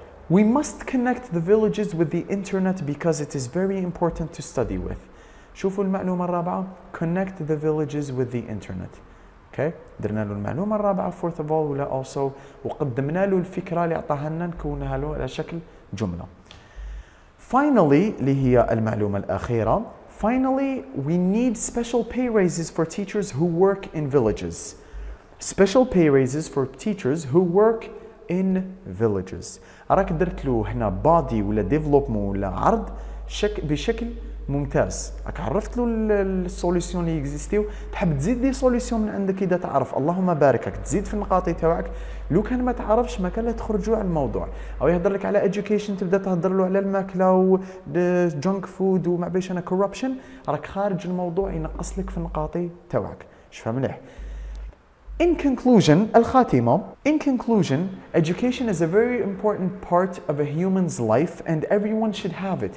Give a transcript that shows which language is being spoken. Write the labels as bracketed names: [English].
[English] We must connect the villages with the internet because it is very important to study with. [Arabic] شوفوا المعلومة الرابعة. [English] Connect the villages with the internet. Okay. [Arabic] درنا له المعلومة الرابعة. [English] Fourth of all, [Arabic] ولا [English] also. [Arabic] وقدمنا له الفكرة اللي أعطاها لنا نكونها له على شكل جملة. [English] Finally, [Arabic] اللي هي المعلومة الأخيرة. [English] Finally, we need special pay raises for teachers who work in villages. Special pay raises for teachers who work in villages. [Arabic] أراك درت له هنا body ولا development ولا عرض بشكل ممتاز. أك عرفت له الصوليسيون اللي يكزيستيو. تحب تزيد دي صوليسيون من عندك إذا تعرف اللهم باركك تزيد في النقاطي تبعك. لو كان ما تعرفش ما كان لا تخرجوا على الموضوع. أو يهدر لك على education تبدأ تهدر له على الماكلة و [English] junk food [Arabic] وما بيش أنا corruption. أراك خارج الموضوع ينقص لك في النقاطي تبعك. شفا مليح. [English] In conclusion, [Arabic] الخاتمه. [English] In conclusion, education is a very important part of a human's life and everyone should have it.